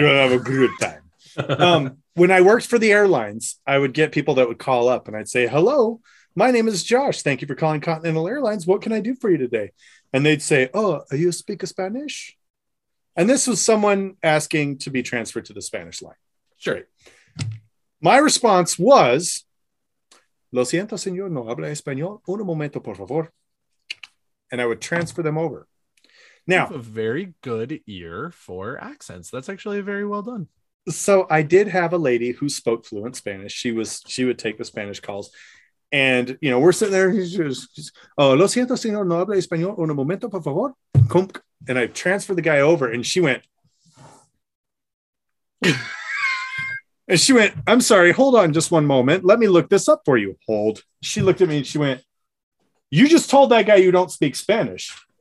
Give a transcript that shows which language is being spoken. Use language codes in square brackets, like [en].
[en] You will have a good time. When I worked for the airlines, I would get people that would call up and I'd say, hello, my name is Josh. Thank you for calling Continental Airlines. What can I do for you today? And they'd say, oh, you speak Spanish? And this was someone asking to be transferred to the Spanish line. Sure. Right. My response was, [es] lo siento, señor, no habla español. Un momento, por favor. [en] And I would transfer them over. Now, you have a very good ear for accents. That's actually very well done. So I did have a lady who spoke fluent Spanish. She would take the Spanish calls. And, you know, we're sitting there. She's, [es] lo siento, señor, no habla español. Un momento, por favor. [en] And I transferred the guy over and she went. And she went, I'm sorry, hold on just one moment. Let me look this up for you. Hold. She looked at me and she went, you just told that guy you don't speak Spanish.